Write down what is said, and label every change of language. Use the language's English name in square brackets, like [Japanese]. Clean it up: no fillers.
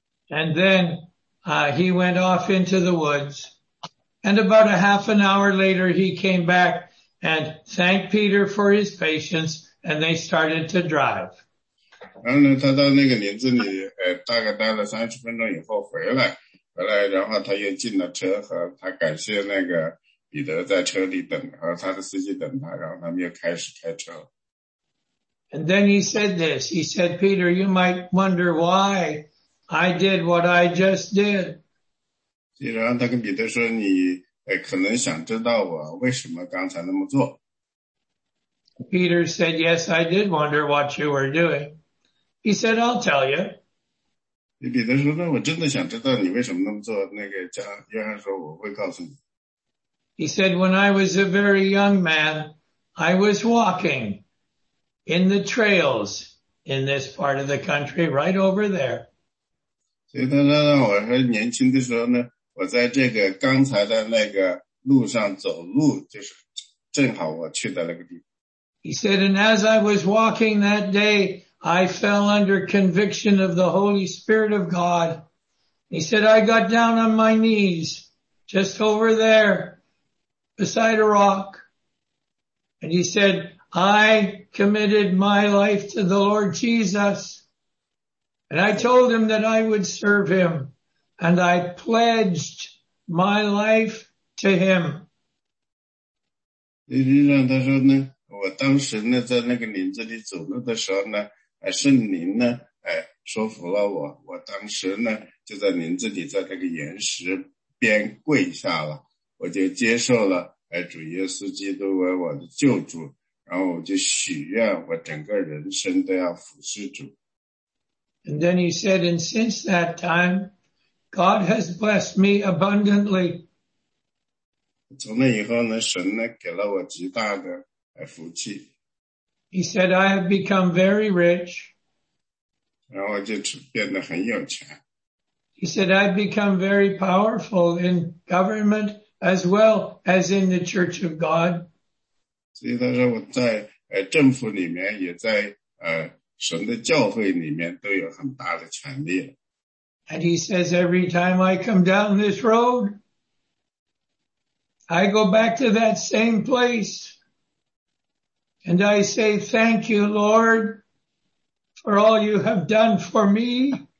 [English] And then, he went off into the woods. And about a half an hour later, he came back and thanked Peter for his patience, and they started to drive. [Chinese] 然后呢，他到那个林子里，大概待了30分钟以后回来，然后他又进了车，和他感谢那个彼得在车里等，和他的司机等他，然后他们又开始开车。 [English] And then he said this. He said, "Peter, you might wonder why I did what I just did." [Chinese] 然后他跟彼得说，你可能想知道我为什么刚才那么做。 [English] Peter said, "Yes, I did wonder what you were doing." He said, "I'll tell you." [Chinese] 彼得说，那我真的想知道你为什么那么做。那个约翰说，我会告诉你。 [English] He said, "When I was a very young man, I was walking in the trails in this part of the country right over there." [Chinese] 所以他说，那我还年轻的时候呢，我在这个刚才的那个路上走路，就是正好我去的那个地方。 [English] He said, "And as I was walking that day, I fell under conviction of the Holy Spirit of God." He said, "I got down on my knees just over there beside a rock. And he said, I committed my life to the Lord Jesus. And I told him that I would serve him. And I pledged my life to him." [Chinese] 实际上他说呢，我当时呢在那个林子里走路的时候呢，圣灵呢说服了我，我当时呢就在林子里在那个岩石边跪下了，我就接受了主耶稣基督为我的救主，然后我就许愿我整个人生都要服侍主。 [English] And then he said, "And since that time,God has blessed me abundantly." [Chinese] 从那以后呢，神呢给了我极大的福气。 [English] He said, "I have become very rich." [Chinese] 然后就变得很有钱。 [English] He said, "I've become very powerful in government as well as in the Church of God." [Chinese] 所以他说我在政府里面也在神的教会里面都有很大的权利。 [English] And he says, every time I come down this road, I go back to that same place. And I say, thank you, Lord, for all you have done for me.